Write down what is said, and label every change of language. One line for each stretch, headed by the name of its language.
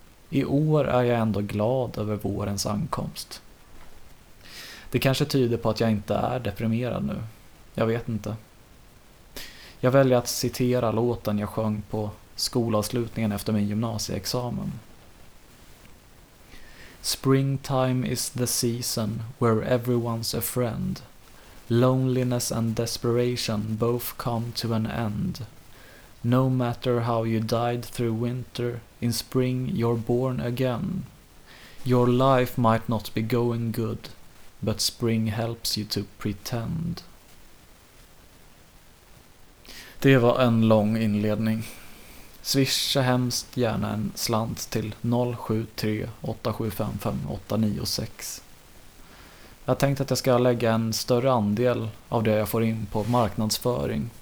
Swedish: I år är jag ändå glad över vårens ankomst. Det kanske tyder på att jag inte är deprimerad nu. Jag vet inte. Jag väljer att citera låten jag sjöng på skolavslutningen efter min gymnasieexamen.
English: Springtime is the season where everyone's a friend. Loneliness and desperation both come to an end. No matter how you died through winter, in spring you're born again. Your life might not be going good, but spring helps you to pretend.
Swedish: Det var en lång inledning. Swisha hemskt gärna en slant till 073-8755-896. Jag tänkte att jag ska lägga en större andel av det jag får in på marknadsföring.